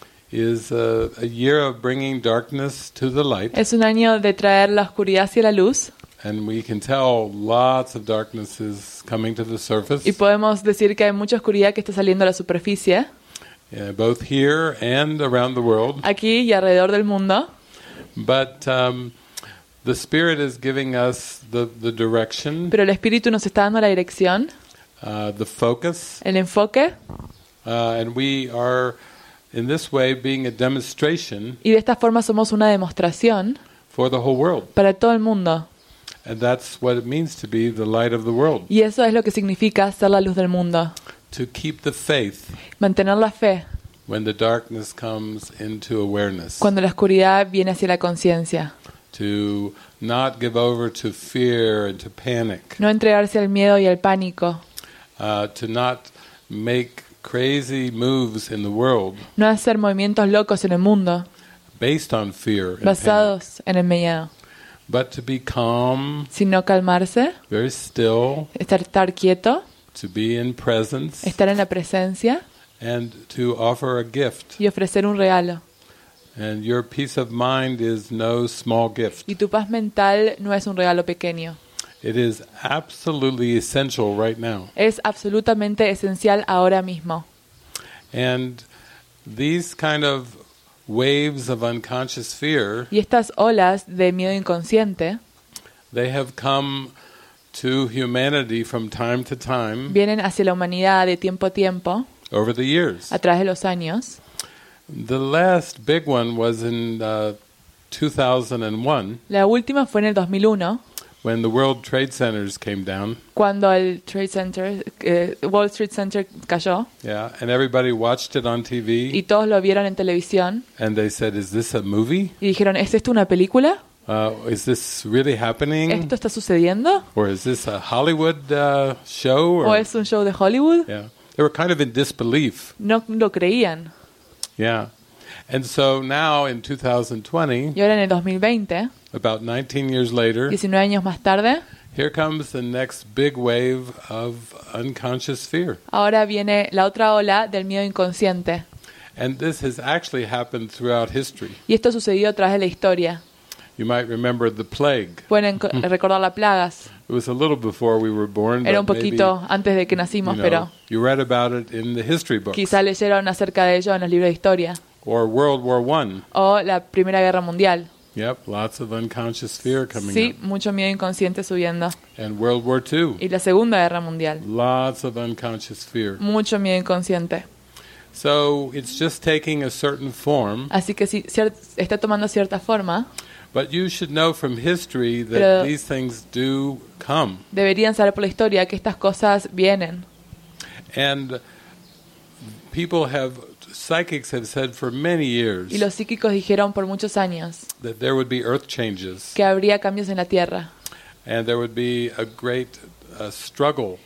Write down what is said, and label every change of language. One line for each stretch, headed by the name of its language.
English: Is a year of bringing darkness to the light.
Spanish: Es un año de traer la oscuridad hacia la luz.
English: And we can tell lots of darkness is coming to the surface.
Spanish: Y podemos decir que hay mucha oscuridad que está saliendo a la superficie.
English: Yeah, both here and around the world.
Spanish: Aquí y alrededor del mundo.
English: But the Spirit is giving us the direction.
Spanish: Pero el Espíritu nos está dando la dirección.
English: The focus.
Spanish: El enfoque.
English: And we are. In this way, being a demonstration.
Spanish: Y de esta forma somos una demostración.
English: For the whole world.
Spanish: Para todo el mundo.
English: And that's what it means to be the light of the world.
Spanish: Y eso es lo que significa ser la luz del mundo.
English: To keep the faith.
Spanish: Mantener la fe.
English: When the darkness comes into awareness.
Spanish: Cuando la oscuridad viene hacia la conciencia.
English: To not give over to fear and to panic.
Spanish: No entregarse al miedo y al pánico.
English: To not make crazy moves in the world.
Spanish: No hacer movimientos locos en el mundo.
English: Based on fear.
Spanish: Basados en el miedo.
English: But to be calm.
Spanish: Sino calmarse.
English: Very still.
Spanish: Estar quieto.
English: To be in presence.
Spanish: Estar en la presencia.
English: And to offer a gift.
Spanish: Y ofrecer un regalo.
English: And your peace of mind is no small gift.
Spanish: Y tu paz mental no es un regalo pequeño.
English: It is absolutely essential right now.
Spanish: Es absolutamente esencial ahora mismo.
English: And these kind of waves of unconscious fear.
Spanish: Y estas olas de miedo inconsciente.
English: They have come to humanity from time to time.
Spanish: Vienen hacia la humanidad de tiempo a tiempo.
English: Over the years.
Spanish: A través de los años.
English: The last big one was in 2001.
Spanish: La última fue en el 2001.
English: When the World Trade Centers came down.
Spanish: Cuando el Trade Center, Wall Street Center cayó.
English: Yeah, and everybody watched it on TV.
Spanish: Y todos lo vieron en televisión.
English: And they said, "Is this a movie?"
Spanish: Y dijeron, ¿es esto una película?
English: Is this really happening?
Spanish: ¿Esto está sucediendo?
English: Or is this a Hollywood show?
Spanish: ¿O es un show de Hollywood?
English: Yeah, they were kind of in disbelief.
Spanish: No lo creían.
English: Yeah, and so now in 2020.
Spanish: Y ahora en el 2020.
English: About 19 years later.
Spanish: 19 años más tarde.
English: Here comes the next big wave of unconscious fear.
Spanish: Ahora viene la otra ola del miedo inconsciente.
English: And this has actually happened throughout history.
Spanish: Y esto ha sucedido a través de la historia.
English: You might remember the plague.
Spanish: Pueden recordar las plagas.
English: It was a little before we were born.
Spanish: Era un poquito antes de que nacimos,
English: you know,
Spanish: pero.
English: You read about it in the history books.
Spanish: Quizá leyeron acerca de ello en los libros de historia.
English: Or World War I.
Spanish: O la Primera Guerra Mundial.
English: Yep, lots of unconscious fear coming
Spanish: sí,
English: up.
Spanish: Sí, mucho miedo inconsciente subiendo.
English: And World War II.
Spanish: Y la Segunda Guerra Mundial.
English: Lots of unconscious fear.
Spanish: Mucho miedo inconsciente.
English: So it's just taking a certain form.
Spanish: Así que sí, está tomando cierta forma.
English: But you should know from history that these things do come.
Spanish: Deberían saber por la historia que estas cosas vienen.
English: And people have. Psychics have said for many years.
Spanish: Y los psíquicos dijeron por muchos años.
English: That there would be earth changes.
Spanish: Que habría cambios en la tierra.
English: And there would be a great struggle.